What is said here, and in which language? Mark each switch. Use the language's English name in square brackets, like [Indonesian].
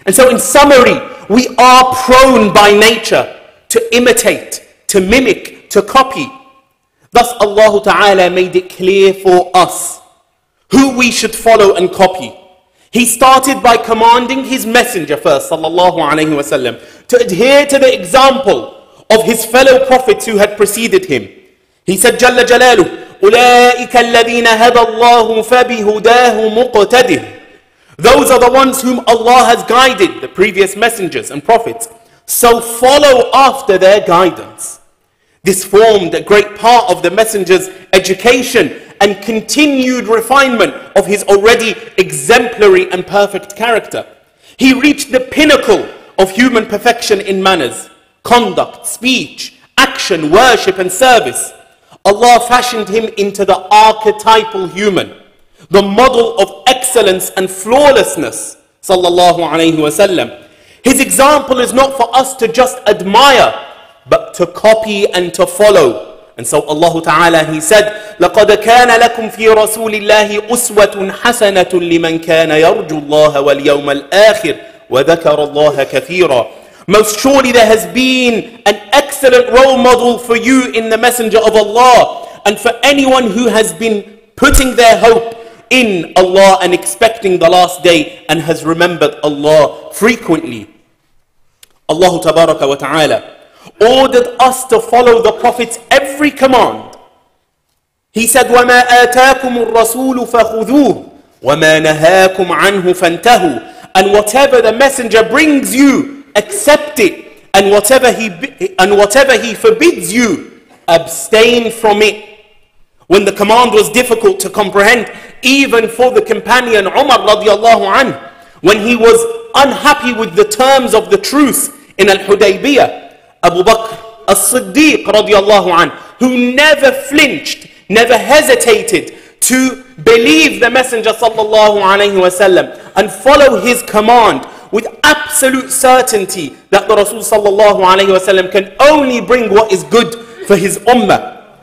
[English] And so in summary, we are prone by nature to imitate, to mimic, to copy. Thus Allah Ta'ala made it clear for us who we should follow and copy. He started by commanding his messenger first, sallallahu alayhi wa sallam, to adhere to the example of his fellow prophets who had preceded him. He said, [Arabic] Jalla Jalaluhu, أُولَٰئِكَ الَّذِينَ هَدَى اللَّهُ فَبِهُدَاهُ مُقْتَدِهُ. [English] Those are the ones whom Allah has guided, the previous messengers and prophets. So follow after their guidance. This formed a great part of the messenger's education and continued refinement of his already exemplary and perfect character. He reached the pinnacle of human perfection in manners, conduct, speech, action, worship, and service. Allah fashioned him into the archetypal human, the model of excellence and flawlessness, sallallahu alayhi wa sallam. His example is not for us to just admire, but to copy and to follow. And so Allah Ta'ala, he said, [Arabic] لَقَدْ كَانَ لَكُمْ فِي رَسُولِ اللَّهِ أُسْوَةٌ حَسَنَةٌ لِمَنْ كَانَ يَرْجُ اللَّهَ وَالْيَوْمَ الْآخِرِ وَذَكَرَ اللَّهَ كَثِيرًا. [English] Most surely there has been an excellent role model for you in the Messenger of Allah, and for anyone who has been putting their hope in Allah and expecting the last day and has remembered Allah frequently. Allah Tabaraka wa Ta'ala ordered us to follow the Prophet's every command. He said, [Arabic] وَمَا آتَاكُمُ الرَّسُولُ فَخُذُوهُ وَمَا نَهَاكُمْ عَنْهُ فَانْتَهُوا. [English] And whatever the messenger brings you, accept it. And whatever he forbids you, abstain from it. When the command was difficult to comprehend, even for the companion Umar radiallahu anhu, when he was unhappy with the terms of the truce in Al-Hudaybiyah, Abu Bakr as-Siddiq radiallahu anhu, who never flinched, never hesitated to believe the Messenger sallallahu alayhi wa sallam and follow his command with absolute certainty that the Rasul sallallahu alayhi wa sallam can only bring what is good for his ummah.